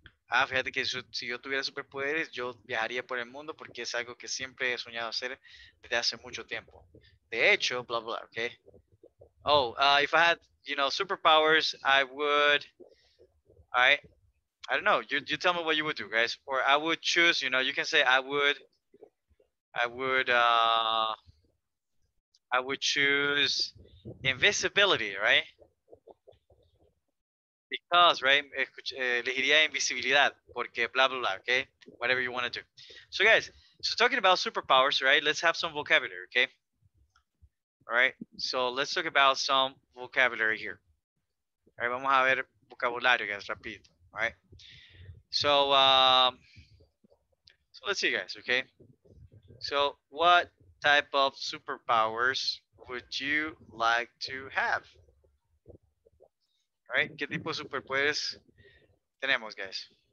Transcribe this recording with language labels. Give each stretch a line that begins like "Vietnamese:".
Spanish: Ah, fíjate que si yo tuviera superpoderes, yo viajaría por el mundo porque es algo que siempre he soñado hacer desde hace mucho tiempo. De hecho, blah, blah, okay?
English: Oh, if I had, you know, superpowers, I would, all right? I don't know. You tell me what you would do, guys. Or I would choose, you know, you can say I would choose invisibility, right? Because, right?
Spanish: Elegiría invisibilidad porque
English: blah, blah, blah, okay? Whatever you want to do. So, guys, so talking about superpowers, right? Let's have some vocabulary, okay? All right. So let's talk about some vocabulary here. All right.
Spanish: Vamos a ver vocabulario, guys, rapidito.
English: All right. So let's see, guys, okay? So what type of superpowers would you like to have?
Spanish: All right, ¿qué tipo de superpoderes tenemos, guys?